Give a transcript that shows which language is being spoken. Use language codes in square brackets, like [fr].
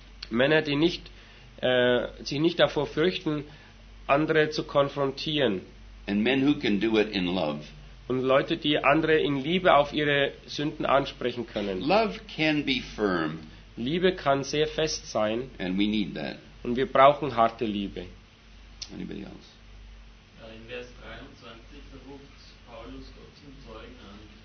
[de] Männer, die nicht sich nicht davor fürchten, andere zu konfrontieren. [en] And men who can do it in love. [de] Und Leute, die andere in Liebe auf ihre Sünden ansprechen können. [en] Love can be firm. [de] Liebe kann sehr fest sein. [en] And we need that. [de] Und wir brauchen harte Liebe. [en] Anybody else? [de] In Vers 23 ruft Paulus Gott zum Zeugen an.